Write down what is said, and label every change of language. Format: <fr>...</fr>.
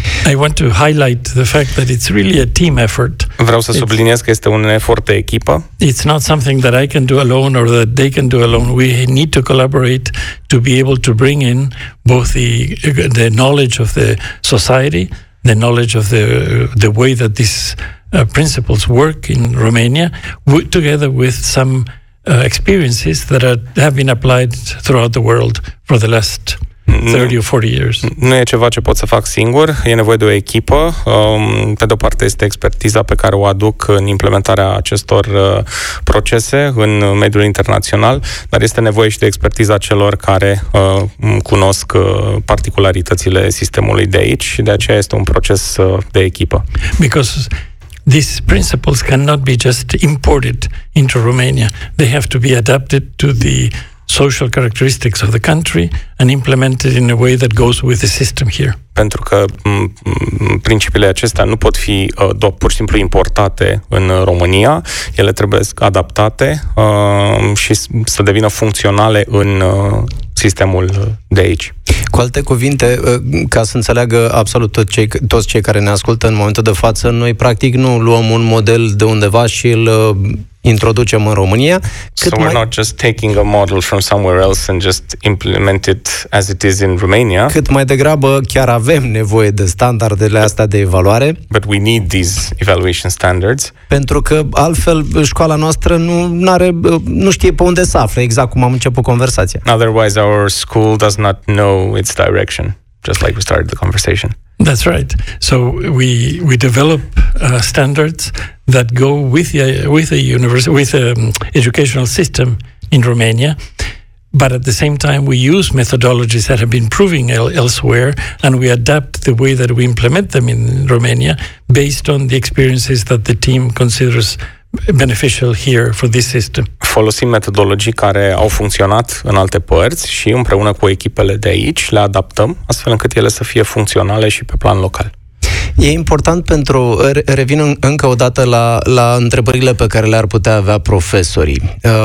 <en>I want to highlight the fact that it's really a team effort.</en> <ro>Vreau să subliniez că este un efort de echipă.</ro> <en>It's not something that I can do alone or that they can do alone. We need to collaborate to be able to bring in both the knowledge of the society, the knowledge of the way that these principles work in Romania, together with some experiences that have been applied throughout the world for the last 30 or 40 years.</en> <ro>Nu e ceva ce pot să fac singur, e nevoie de o echipă. Pe de-o parte este expertiza pe care o aduc în implementarea acestor procese în mediul internațional, dar este nevoie și de expertiza celor care cunosc particularitățile sistemului de aici și de aceea este un proces de echipă.</ro> <en>Because these principles cannot be just imported into Romania. They have to be adapted to the social characteristics of the country and implemented in a way that goes with the system here.</en> <ro>Pentru că principiile acestea nu pot fi pur și simplu importate în România, ele trebuie adaptate și să devină funcționale în sistemul de aici. Cu alte cuvinte, ca să înțeleagă absolut toți cei care ne ascultă în momentul de față, noi practic nu luăm un model de undeva și îl introducem în România.</ro> <en>So we're not just taking a model from somewhere else and just implement it as it is in Romania.</en> <ro>Cât mai degrabă chiar avem nevoie de standardele astea de evaluare.</ro> <en>But we need these evaluation standards.</en> <ro>Pentru că altfel școala noastră nu știe pe unde să afle, exact cum am început conversația.</ro> <en>Otherwise our school does not know its direction, just like we started the conversation. That's right. So we develop standards that go with the university, with the educational system in Romania, but at the same time we use methodologies that have been proven elsewhere, and we adapt the way that we implement them in Romania based on the experiences that the team considers beneficial here for this system.</en> <ro>Folosim metodologii care au funcționat în alte părți și împreună cu echipele de aici le adaptăm astfel încât ele să fie funcționale și pe plan local. E important pentru, revin încă o dată la întrebările pe care le-ar putea avea profesorii.</ro>